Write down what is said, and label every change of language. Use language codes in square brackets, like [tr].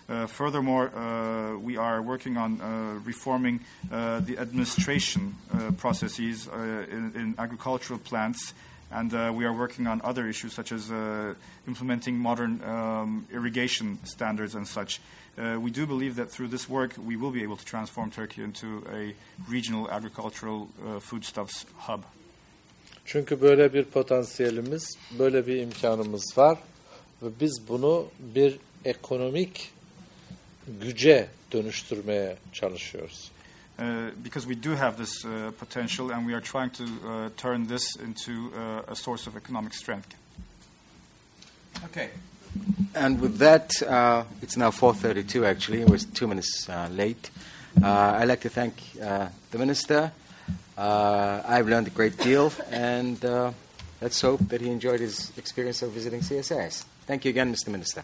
[en] Furthermore, we are working on reforming the administration processes in agricultural plants, and we are working on other issues such as implementing modern irrigation standards and such. We do believe that through this work, we will be able to transform Turkey into a regional agricultural foodstuffs hub. [tr] Çünkü böyle bir potansiyelimiz, böyle bir imkanımız var. Ve biz bunu bir ekonomik güce dönüştürmeye çalışıyoruz. [en] Because we do have this potential and we are trying to turn this into a source of economic strength. Okay. And with that, it's now 4:32 actually, it was 2 minutes late. I'd like to thank the minister. I've learned a great deal and let's hope that he enjoyed his experience of visiting CSIS. Thank you again, Mr. Minister.